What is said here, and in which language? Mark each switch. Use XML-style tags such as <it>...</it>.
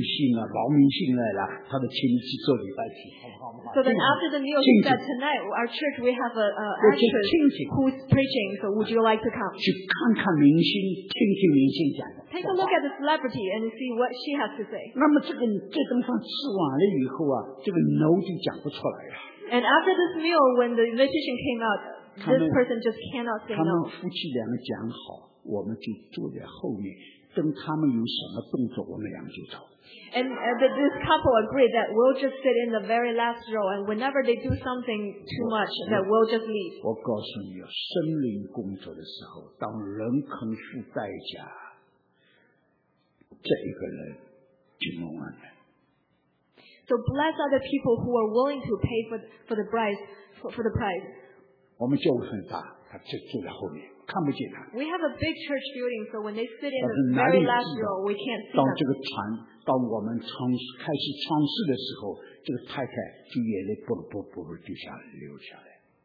<en>So if the meal is not good, who cares? So then after the meal, he said, tonight, our church, we have an actress who's preaching, so would you like to come?</en> <zh>去看看明星, 听听明星讲,</zh> <en>take a look at the celebrity and see what she has to say.</en> <zh>那么这个这顿饭吃完了以后啊, 这个no就讲不出来了。</zh> <en>And after this meal, when the invitation came out, this person just cannot say no.</en> <zh>他们夫妻两个讲好, 我们就坐在后面, 等他们有什么动作我们两个就走。</zh> <en>And this couple agreed that we'll just sit in the very last row, and whenever they do something too much, that we'll just leave.</en> <zh>我告诉你, 生灵工作的时候, 当人肯付代价, 这一个人就蒙恩了。</zh> <en>So bless other people who are willing to pay for the price.</en> <zh>我们教会很大, 他就坐在后面。</zh> <en>We have a big church building, so when they sit in the very last row, we can't see them.</en> <zh>当这个传，当我们开始唱诗的时候， 这个太太就眼泪啵啵啵啵就下来流下来。</zh>